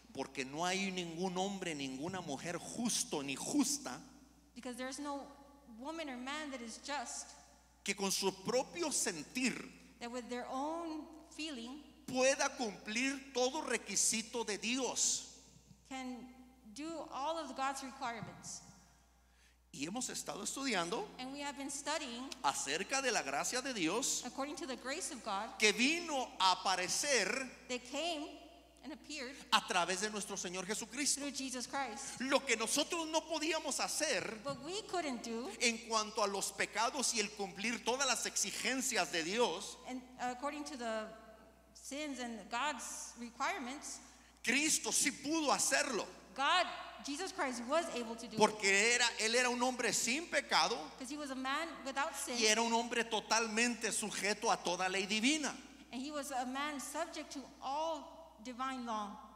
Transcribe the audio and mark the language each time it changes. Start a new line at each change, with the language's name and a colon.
Spanish: porque no hay ningún hombre, ninguna mujer justo ni justa,
English: because there's no woman or man that is just,
Spanish: que con su propio sentir,
English: that with their own feeling,
Spanish: pueda cumplir todo requisito de Dios,
English: can do all of God's requirements.
Spanish: Y hemos estado estudiando,
English: and we have been studying,
Spanish: acerca de la gracia de Dios,
English: according to the grace of God,
Spanish: que vino a aparecer,
English: that came and appeared,
Spanish: a través de nuestro Señor Jesucristo,
English: through Jesus Christ.
Spanish: Lo que nosotros no podíamos hacer,
English: but we couldn't do,
Spanish: en cuanto a los pecados y el cumplir todas las exigencias de Dios,
English: and according to the sins and God's requirements,
Spanish: Cristo sí pudo hacerlo.
English: God, Jesus Christ was able to do
Spanish: porque era, él era un hombre sin pecado.
English: Because he was a man without sin.
Spanish: Y era un hombre totalmente sujeto a toda ley divina.
English: And he was a man subject to all divine law.